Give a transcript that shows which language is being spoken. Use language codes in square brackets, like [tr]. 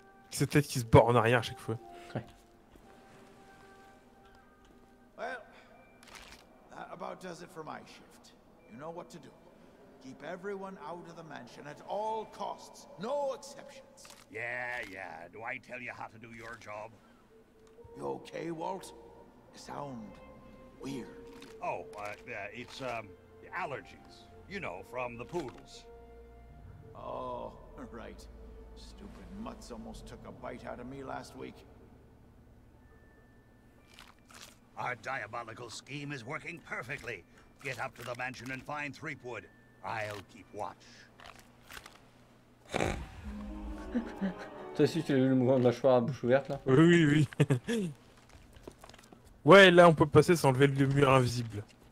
[fr] C'est peut-être qu'il se barre en arrière à chaque fois. [en] Well, that about does it for my shift. You know what to do. Keep everyone out of the mansion at all costs. No exceptions. Yeah, yeah. Do I tell you how to do your job? You okay, Walt? You sound weird. It's allergies. You know, from the poodles. Oh, right. Stupid mutts almost took a bite out of me last week. Our diabolical scheme is working perfectly. Get up to the mansion and find Threepwood. I'll keep watch. [fr] Toi aussi, tu as vu le mouvement de mâchoire à bouche ouverte, là ? Oui, oui. Ouais, là, on peut passer sans lever le mur invisible.